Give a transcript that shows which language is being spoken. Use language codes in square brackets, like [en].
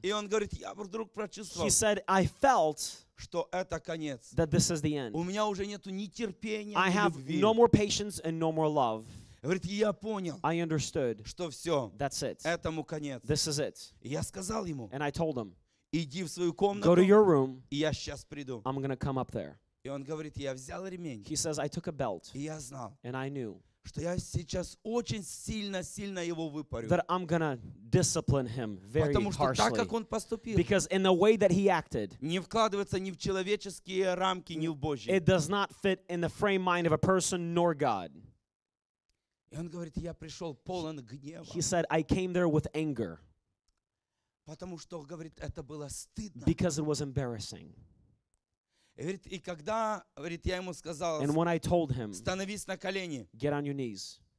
[ru] И он говорит, я вдруг прочувствовал. [en] He said, I felt... [ru] что это конец. [en] That this is the end. [ru] У меня уже нету ни терпения, [en] I have no more patience and no more love. [ru] Говорит, я понял. [en] I understood. [ru] Что все. [en] That's it. [ru] Этому конец. [en] This is it. [ru] Я сказал ему. [en] And I told him. [ru] Иди в свою комнату. [en] Go to your room. [ru] И я сейчас приду. [en] I'm gonna come up there. [ru] И он говорит, я взял ремень. [en] He says, I took a belt. [ru] И я знал. [en] And I knew. [ru] Что я сейчас очень сильно его выпорю. [en] That I'm gonna discipline him very harshly. [ru] Так, как он поступил, [en] because in the way that he acted, [ru] не вкладывается ни в человеческие рамки, ни в Божьи. [en] It does not fit in the frame mind of a person nor God. [ru] И он говорит, я пришел полон гнева. [en] He said, I came there with anger. [ru] Потому что, говорит, это было стыдно. [en] Because it was embarrassing. [ru] И когда, говорит, я ему сказал, [en] and when I told him, [ru] становись на колени. [en] Get on your knees.